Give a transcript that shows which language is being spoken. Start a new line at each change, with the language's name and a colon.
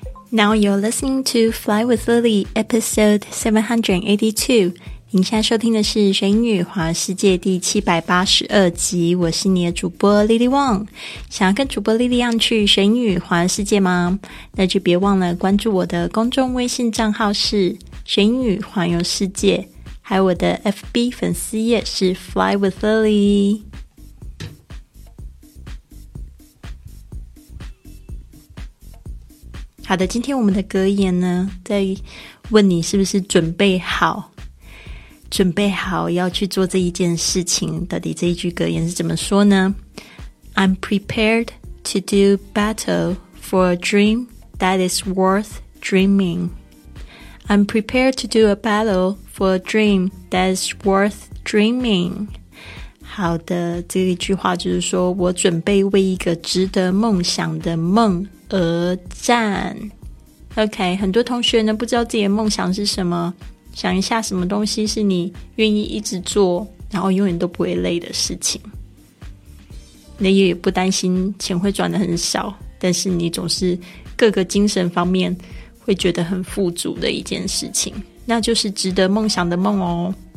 English: Now you're listening to Fly with Lily, episode 782.
Chinese: 您现在收听的是学英语环游世界第782集，我是你的主播 Lily Wong。想要跟主播 Lily 一样去学英语环游世界吗？那就别忘了关注我的公众微信账号是学英语环游世界，还有我的 FB 粉丝页是 Fly with Lily。好的，今天我们的格言呢，在问你是不是准备好，准备好要去做这一件事情。到底这一句格言是怎么说呢？
English: I'm prepared to do battle for a dream that is worth dreaming. I'm prepared to do a battle for a dream that is worth dreaming.
Chinese: 好的，这一句话就是说我准备为一个值得梦想的梦而战。 OK， 很多同学呢不知道自己的梦想是什么，想一下什么东西是你愿意一直做然后永远都不会累的事情，你也不担心钱会赚得很少，但是你总是各个精神方面会觉得很富足的一件事情，那就是值得梦想的梦哦。